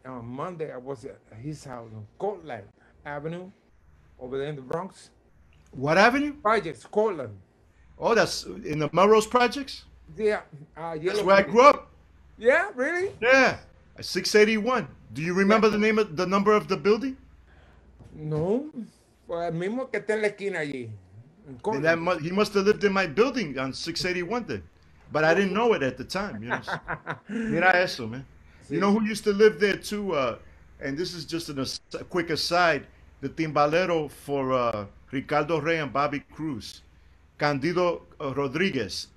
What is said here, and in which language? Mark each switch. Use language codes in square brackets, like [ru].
[en] On Monday, I was at his house on Cortland Avenue over there in the Bronx. What avenue? Projects, Cortland. Oh, that's in the Melrose Projects? Yeah. That's where I grew up. Yeah, really? Yeah, 681. Do you remember the name of the number of the building? No. [es] Well, mismo que está en la esquina allí. [en] He must have lived in my building on 681 then. But I didn't know it at the time, you know. [es] Mira eso, [en] man. See? You know who used to live there too? And this is just a quick aside, the timbalero for Ricardo Rey and Bobby Cruz, Candido Rodriguez.